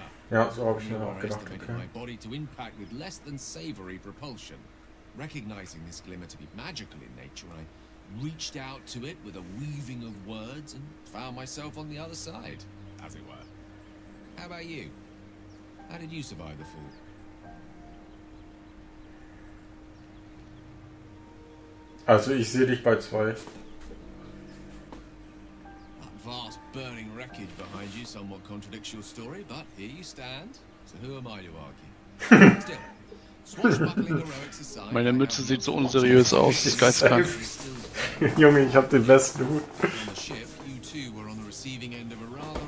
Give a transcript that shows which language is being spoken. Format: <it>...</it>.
<de>Ja, so habe ich mir auch gedacht, okay.</de> <en>Impact with less than savory propulsion. Recognizing this glimmer to be magical in nature, I reached out to it with a weaving of words and found myself on the other side, as it were. How about you? How did you survive the fall?</en> <de>Also, ich sehe dich bei 2.</de> <en>That vast burning wreckage behind you somewhat contradicts your story, but here you stand. So who am I to argue? Still, swashbuckling heroics aside,</en> <de>meine Mütze sieht so unseriös aus, das ist geisteskrank. Junge, ich hab den besten Hut.</de> <en>On the ship, you two were on the receiving end of a rather</en>